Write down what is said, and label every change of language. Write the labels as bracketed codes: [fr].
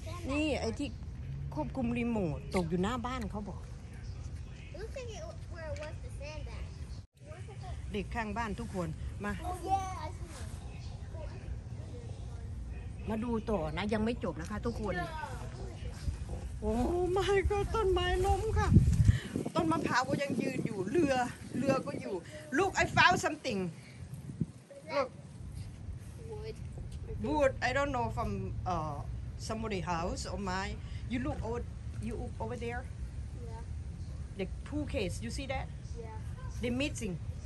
[th] นี่ไอ้ที่ควบคุมรีโมทตกอยู่หน้าบ้านเขาบอก [en] Look at it where it was the sandbag. [th] เด็กข้างบ้านทุกคนมา [en] Oh yeah, I see. [th] มาดูต่อนะยังไม่จบนะคะทุกคน [en] Oh my god, [th] ต้นไม้ล้มค่ะต้นมะพร้าวก็ยังยืนอยู่เรือก็อยู่ลูก [en] I found something look wood wood. I don't know from somebody's house or mine. You look over, you over there. Yeah. The pool case. You see that? Yeah. They're missing.